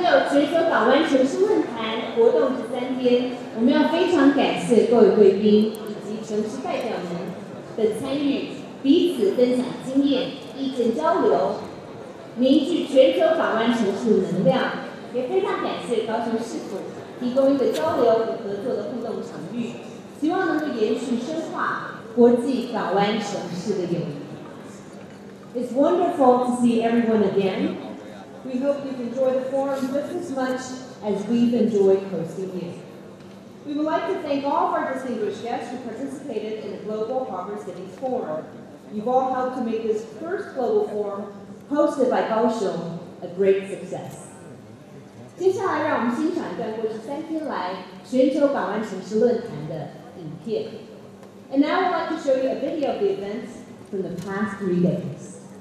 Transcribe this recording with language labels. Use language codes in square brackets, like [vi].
[zh] 随手把玩城市论坛活动这三天，我们要非常感谢各位贵宾以及城市代表们的参与，彼此分享经验、意见交流，凝聚全球把玩城市的能量。也非常感谢高雄市府提供一个交流与合作的互动场域，希望能够延续深化国际把玩城市的友谊。 [en] It's wonderful to see everyone again. We hope you've enjoyed the forum just as much as we've enjoyed hosting you. We would like to thank all of our distinguished guests who participated in the Global Harbor Cities Forum. You've all helped to make this first global forum hosted by Kaohsiung a great success. [zh] 接下来让我们欣赏一段过去三天来全球把玩城市论坛的影片。 [en] And now I'd like to show you a video of the events from the past 3 days.